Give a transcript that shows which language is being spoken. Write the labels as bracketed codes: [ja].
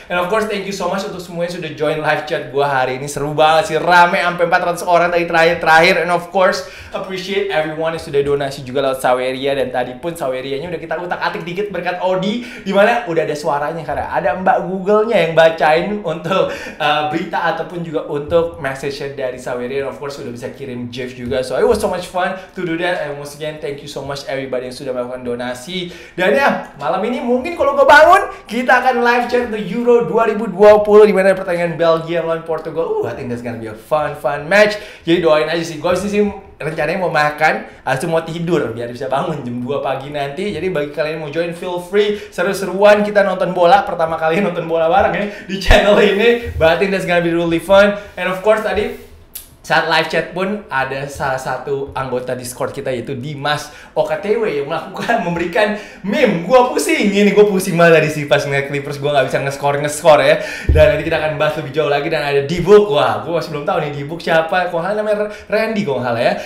[en] And of course thank you so much [id] untuk semuanya sudah join live chat gue hari ini. Seru banget sih, rame sampai 400 orang tadi terakhir. [en] And of course appreciate everyone [id] yang sudah donasi juga lewat Saweria, dan tadi pun Sawerianya udah kita utak-atik dikit berkat Odi, dimana udah ada suaranya karena ada mbak Google-nya yang bacain untuk berita ataupun juga untuk message dari Saweria. [en] And of course [id] udah bisa kirim Jeff juga, [en] so it was so much fun to do that. And once again thank you so much everybody [id] yang sudah melakukan donasi. Dan ya, malam ini mungkin kalau gue bangun, kita akan live chat untuk Euro 2020, di mana pertandingan Belgia melawan Portugal. [en] I think that's gonna be a fun match. [id] Jadi doain aja sih, gue sih rencananya mau makan, atau mau tidur biar bisa bangun jam 2 pagi nanti. Jadi bagi kalian yang mau join, [en] feel free, [id] seru-seruan kita nonton bola, pertama kali nonton bola bareng ya di channel ini. [en] But I think that's gonna be really fun. And of course [id] tadi saat live chat pun ada salah satu anggota Discord kita yaitu Dimas OKTW yang memberikan meme. Gua pusing, ini gua pusing banget dari si pas ngeliat Clippers, gua gak bisa nge-score ya. Dan nanti kita akan bahas lebih jauh lagi, dan ada D-Book. Wah, gua masih belum tahu nih D-Book siapa, kok hal namanya Randy kok hal ya.